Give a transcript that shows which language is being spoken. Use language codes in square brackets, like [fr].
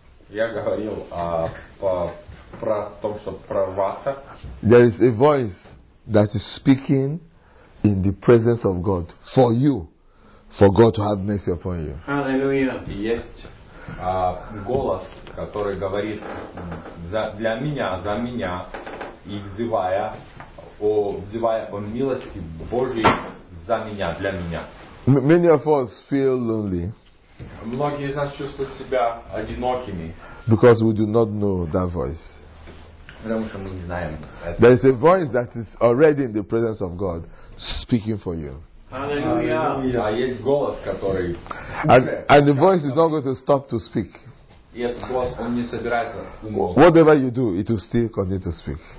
[ru] Я говорил про то, что прорваться. [en] There is a voice that is speaking in the presence of God for you, for God to have mercy upon you. Hallelujah. [ru] Есть голос, который говорит для меня, за меня, и взывая о милости Божьей за меня, для меня. [en] Many of us feel lonely. [ru] Многие из нас чувствуют себя одинокими. [en] Because we do not know that voice. [ru] Потому что мы не знаем. [en] There is a voice that is already in the presence of God speaking for you. Hallelujah. And the voice is not going to stop to speak. Whatever you do, it will still continue to speak.